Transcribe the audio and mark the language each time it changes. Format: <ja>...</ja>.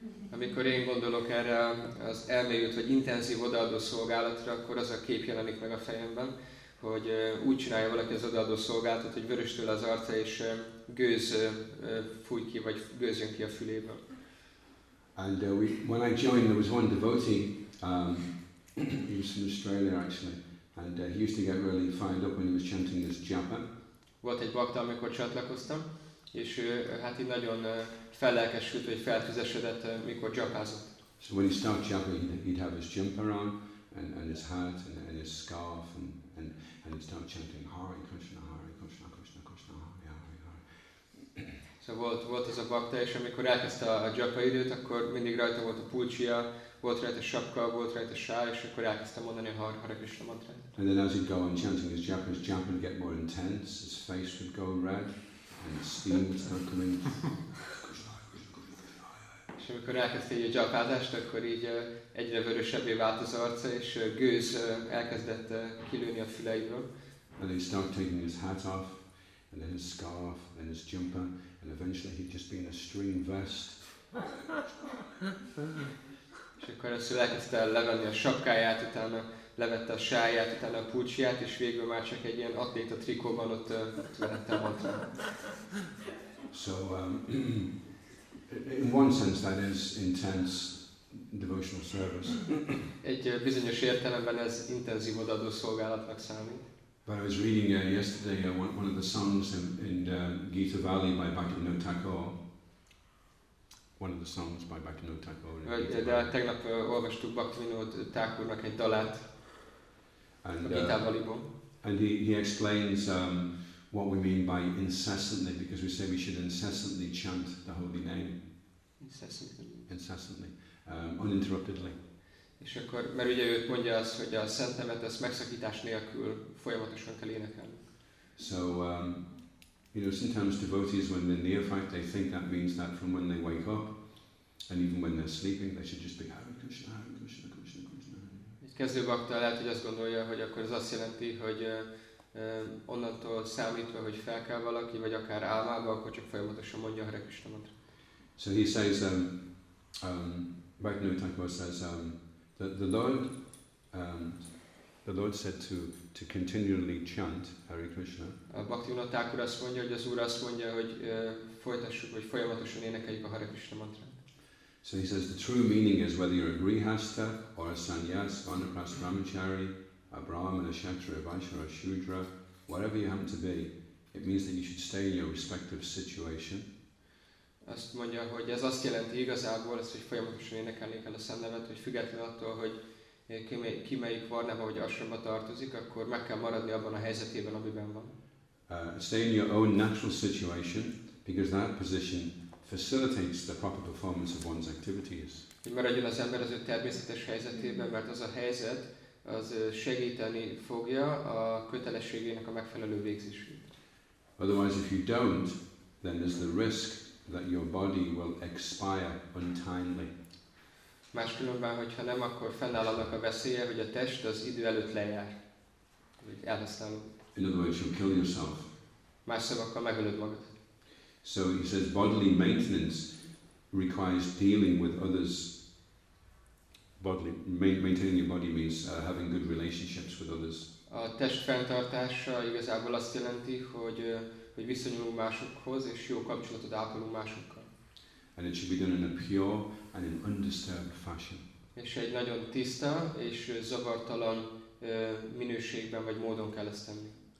<hu>Amikor én gondolok erre az elmélyült vagy intenzív odaadó szolgálatra, akkor az a kép jelenik meg a fejemben, hogy úgy csinálja valaki az odaadó szolgálatot, hogy vörös tőle az arca és gőz fúj ki, vagy gőz jön ki a füléből.</hu> <en>And when I joined, there was one devotee, he was from Australia actually, and he used to get really fired up when he was chanting this japa.</en> <hu>Volt egy bakta, amikor csatlakoztam, és hát így nagyon fellelkesült, vagy feltüzesedett, mikor japázott.</hu> <en>So when he started japa, he'd have his jumper on, and his hat, and his scarf, and he'd start chanting Hare Krishna, Hare Krishna, Krishna Krishna, Hare Hare Hare.</en> <hu>Szóval volt ez a bakta, és amikor elkezdte a japa időt, akkor mindig rajta volt a pulcsia, volt rajta sapka, volt rajta sál, és akkor elkezdte mondani a Hare Krishna mantrát.</hu> <en>And then as he'd go on chanting his japa would get more intense, his face would go red, and the steam would start coming.</en> <hu>És amikor elkezdte így a japázást, akkor így egyre vörösebbé vált az arca, és gőz elkezdett kilőni a füleiből.</hu> <en>And he'd start taking his hat off, and then his scarf, and then his jumper, and eventually he'd just be in a stream vest.</en> <hu>És akkor ezt elkezdte levenni a sapkáját, utána levette a sáját, utána a pulcsiát, és végül már csak egy ilyen atléta trikóban ott vehette a mantrát.</hu> <en>So, in one sense that is intense devotional service.</en> <hu>Egy bizonyos értelemben ez intenzív odaadó szolgálatnak számít.</hu> <en>But I was reading yesterday one of the songs in Gita Valley by Bhaktivinoda Thakur. One of the songs by Bhaktivinoda Thakur.</en> <hu>De tegnap olvastuk Bhaktivinoda Thakurnak egy dalát.</hu> <en>And he explains what we mean by incessantly, because we say we should incessantly chant the holy name. Incessantly. Uninterruptedly.</en> <hu>És akkor, mert ugye ő mondja azt, hogy a szent nevet ezt megszakítás nélkül folyamatosan kell énekelni.</hu> <en>So, sometimes devotees, when they're neophyte, they think that means that from when they wake up, and even when they're sleeping, they should just be Hare Krishna, Hare Krishna, Krishna Krishna.</en> <hu>Kezdő bakta lehet, hogy azt gondolja, hogy akkor ez azt jelenti, hogy onnantól számítva, hogy fel kell valaki, vagy akár álmába, akkor csak folyamatosan mondja a Hare Krishna mantra.</hu> <en>So he says, Bhaktivinoda Thakur says, the Lord said to continually chant Hare Krishna.</en> <hu>A Bhaktivinoda Thakur azt mondja, hogy az Úr azt mondja, hogy folytassuk, vagy folyamatosan énekeljük a Hare Krishna mantra.</hu> <en>So he says the true meaning is whether you're a grihastha or a sannyas, vanaprastha brahmachari, a brahmana, a kshatriya, a vaishya, a shudra, whatever you happen to be, it means that you should stay in your respective situation.</en> <hu>Azt mondja, hogy ez azt jelenti igazából, ez, hogy folyamatosan énekelni kell a szennevet, hogy függetlenül attól, hogy ki melyik varnába vagy ashramba tartozik, akkor meg kell maradni abban a helyzetében, amiben van.</hu> <en>Stay in your own natural situation, because that position facilitates the proper performance of one's activities.</en> <hu>Hogy maradjon az ember az ő természetes helyzetében, mert az a helyzet az segíteni fogja a kötelességének a megfelelő végzését.</hu> <en>Otherwise, if you don't, then there's the risk that your body will expire untimely.</en> <hu>Máskülönben, hogyha nem, akkor fennáll annak a veszélye, hogy a test az idő előtt lejár, hogy elhasználod.</hu> <en>In other words, you'll kill yourself.</en> <hu>Más szavakkal megölöd magad.</hu> <en>So he says bodily maintenance requires dealing with others. Maintaining your body means having good relationships with others.</en> <hu>A test fenntartása igazából azt jelenti, hogy viszonyulunk másokhoz és jó kapcsolatot ápolunk másokkal.</hu> <en>And it should be done in a pure and an undisturbed fashion.</en> <hu>És egy nagyon tiszta és zavartalan minőségben vagy módon kell ezt tenni.</hu>